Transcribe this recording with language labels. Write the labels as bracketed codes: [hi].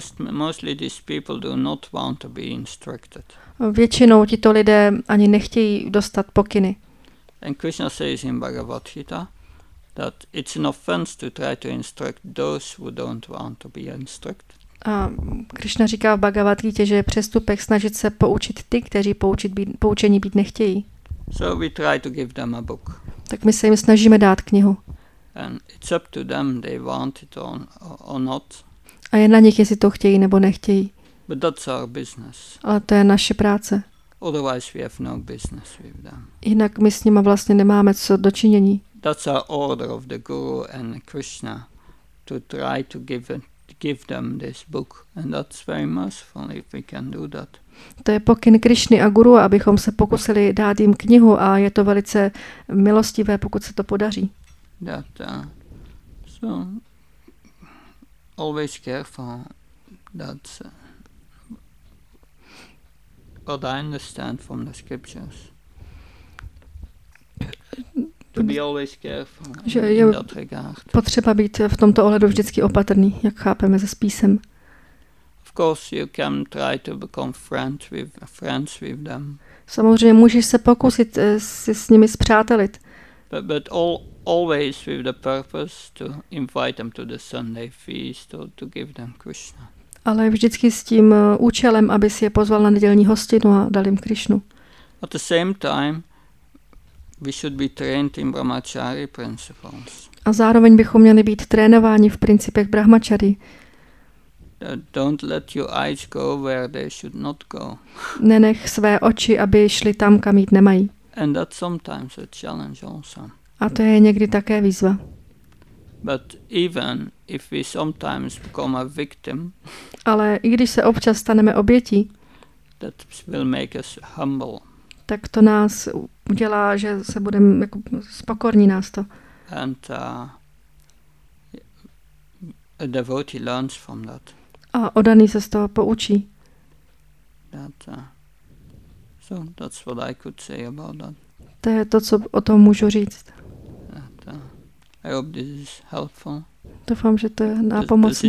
[en] Mostly these people do not want to be instructed. [cs] Většinou tito lidé ani nechtějí dostat pokyny. [en] And Krishna says in Bhagavad Gita that it's an offense to try to instruct those who don't want to be instructed. [cs] A Krishna říká v Bhagavad Gita, že je přestupek snažit se poučit ty, kteří poučení být nechtějí. [en] So we try to give them a book. [cs] Tak my se jim snažíme dát knihu. [en] And it's up to them, they want it or not. [cs] A je na nich, jestli to chtějí nebo nechtějí. [en] But that's our business. [cs] Ale to je naše práce. [en] Otherwise we have no business with them. [cs] Jinak my s nima vlastně nemáme co dočinění. [en] That's our order of the Guru and Krishna to try to give them this book. And that's very merciful if we can do that. [cs] To je pokyn Krišny a Guru, abychom se pokusili dát jim knihu a je to velice milostivé, pokud se to podaří. [en] That, so always careful that what I understand from the scriptures. To be always careful [cs] že [en] in [cs] je [en] that regard. [cs] Potřeba být v tomto ohledu vždycky opatrný, jak chápeme ze spisem. [en] Of course you can try to become friends with them. [cs] Samozřejmě můžeš se pokusit si s nimi spřátelit. [en] But always with the purpose to invite them to the Sunday feast or to give them Krishna. [cs] Ale vždycky s tím účelem, aby si je pozval na nedělní hostinu a dal jim Krishnu. [en] At the same time we should be trained in brahmachari principles. [cs] A zároveň bychom měli být trénováni v principech brahmachari. [en] Don't let your eyes go where they should not go. [cs] Nenech své oči, aby šly tam, kam jít nemají. [en] And that's sometimes a challenge also. [cs] A to je někdy také výzva. [en] But even if we sometimes become a victim. [cs] Ale i když se občas staneme obětí. [en] That will make us humble. [cs] Tak to nás udělá, že se budeme jako spokorní nás to. [en] And a devotee learns from that. [cs] A oddaný se z toho poučí. [en] That, so that's what I could say about that. [cs] To je to, co o tom můžu říct. [en] That, I hope this is helpful. [cs] Doufám, že to je nápomocný.